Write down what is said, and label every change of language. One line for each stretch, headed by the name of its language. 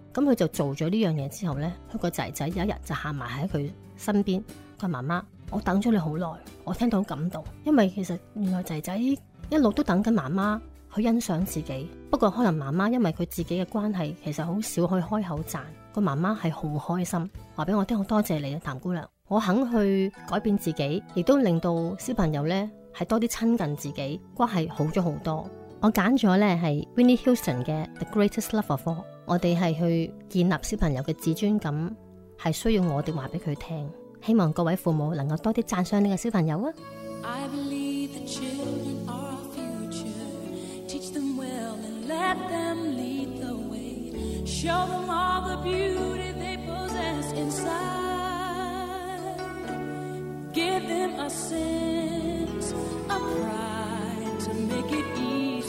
Cantonese: 那他就做了这件事之后，他的儿子有一天就走在他身边，他说，妈妈，我等了你很久，我听到很感动，因为其实原来儿子一直都等着妈妈去欣赏自己。不过可能妈妈因为他自己的关系，其实很少去开口赞，他妈妈是很开心，告诉我，很多谢你谭姑娘，我肯去改变自己，也都令到小朋友是多些亲近自己，关系好了很多。我揀咗咧係 Winnie Houston 嘅 The Greatest Love of All。我哋係去建立小朋友嘅自尊感，係需要我哋話俾佢聽。希望各位父母能夠多啲讚賞你嘅小朋友啊！
English: I believe the children are our future. Teach them well and let them lead the way. Show them all the beauty they possess inside. Give them a sense of pride to make it easy.